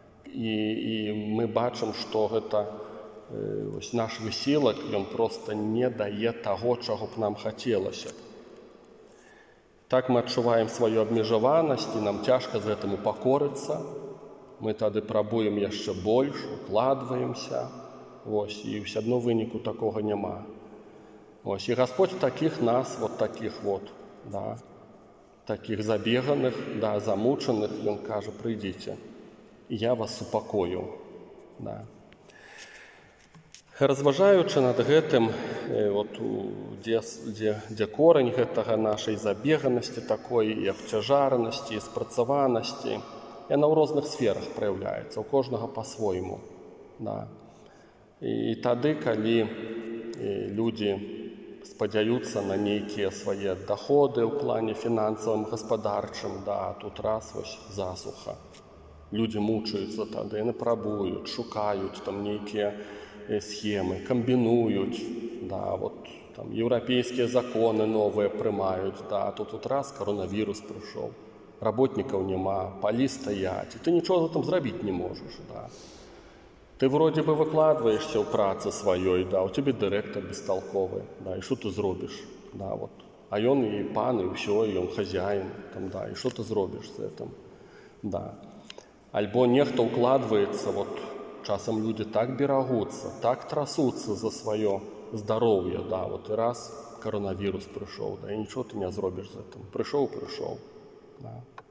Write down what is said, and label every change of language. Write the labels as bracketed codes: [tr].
[be] І мы бачым, што гэта ось наш высілак, ён проста не дае таго, чаго б нам хацелася. Так мы адчуваем сваю абмежаванасць, і нам цяжка з гэтым упакорыцца. Мы тады прабуем яшчэ больш, укладваемся, ось, і ўсё адно выніку такога няма. Ось, і Господь таких нас, [ru] вот таких вот, [be] да, таких забеганых, да, замучаных, ён кажа: «Прыйдзіце, я вас супакою». Да. Разважаючы над гэтым, от, дзе корань гэтага нашай забеганасці такой, і абцяжаранасці, і спрацаванасці, яна ў розных сферах праяўляецца, у кожнага па-свойму. Да. І тады, калі людзі спадзяюцца на нейкія свае даходы ў плане фінансавым, гаспадарчым, да, тут раз вось засуха. Людзі мучаюцца тады, яны прабуюць, шукаюць там нейкія схемы, камбінуюць, да, вот там еўрапейскія законы новыя прымаюць, да, тут раз каронавірус прыйшоў, работнікаў няма, палі стаяць, і ты нічога там зрабіць не можаш, да. Ты [ru] вроде бы [be] выкладваешся ў працы сваёй, да, у цябе дырэктар бесталковы, да, і што ты зробіш? да, вот. [ru] А он и пан, и все, и он хозяин, там, да, и что ты зробишь с этим, да. Альбо нехто укладывается, вот, часом люди так берегутся, так трасутся за свое здоровье, да, вот, и раз коронавирус пришел, да, и ничего ты не зробишь с этим, пришел, пришел, да.